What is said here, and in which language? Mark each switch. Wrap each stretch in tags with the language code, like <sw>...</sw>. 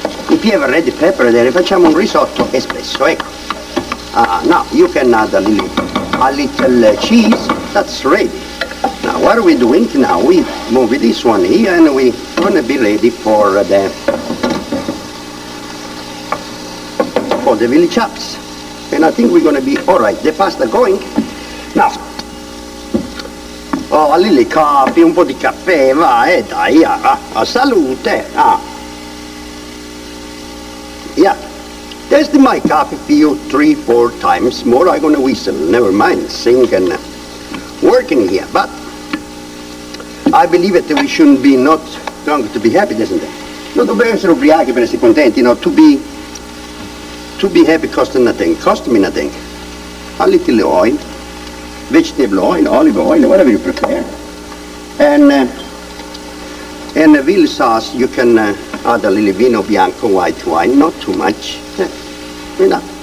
<en>If you have a red pepper there,</en> <it>facciamo un risotto espresso, ecco.</it> <en>Now, you can add a little cheese. That's ready. Now what are we doing now? We move this one here and we're gonna be ready for the veal chops. And I think we're gonna be alright. The pasta going. Now, oh, a little coffee,</en> <it>un po' di caffè, va, dai, a salute.</it> <en>Yeah. Test my coffee for you 3-4 times more. I'm gonna whistle. Never mind, sing and working here, but I believe that we shouldn't be not drunk to be happy, doesn't it?</en> <it>No, dobbiamo essere ubriachi per essere contenti, no,</it> <en>to be happy cost me nothing. A little oil, vegetable oil, olive oil, whatever you prefer. And the veal sauce, you can add a little vino bianco, white wine, not too much. Enough.</en>